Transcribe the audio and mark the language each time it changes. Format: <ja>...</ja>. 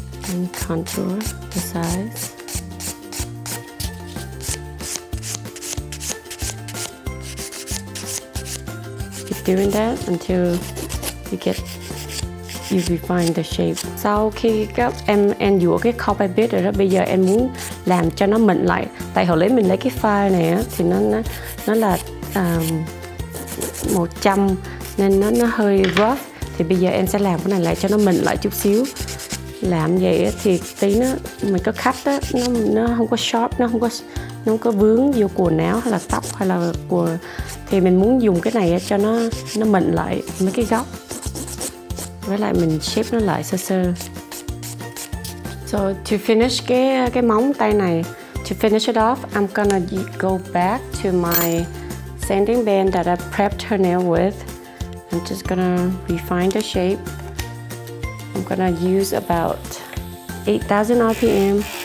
<en>And contour the sides. Keep doing that until you get you refine the shape.</en> <vi>Sau khi các em dũa cái khâu bài bit rồi đó, bây giờ em muốn làm cho nó mịn lại. Tại hồi lấy mình lấy cái file này á, thì nó là 100 nên nó hơi rough. Thì bây giờ em sẽ làm cái này lại cho nó mịn lại chút xíu. Làm vậy á, thì tí nó mình có cắt á, nó không có sharp, nó không có vướng vô quần áo hay là tóc hay là của. Thì mình muốn dùng cái này á, cho nó mịn lại mấy cái góc. Với lại mình shape nó lại sơ sơ.</vi> <en>So to finish</en> <vi>cái móng tay này,</vi> <en>to finish it off, I'm gonna go back to my sanding band that I prepped her nail with. I'm just gonna refine the shape. I'm gonna use about 8,000 RPM.</en>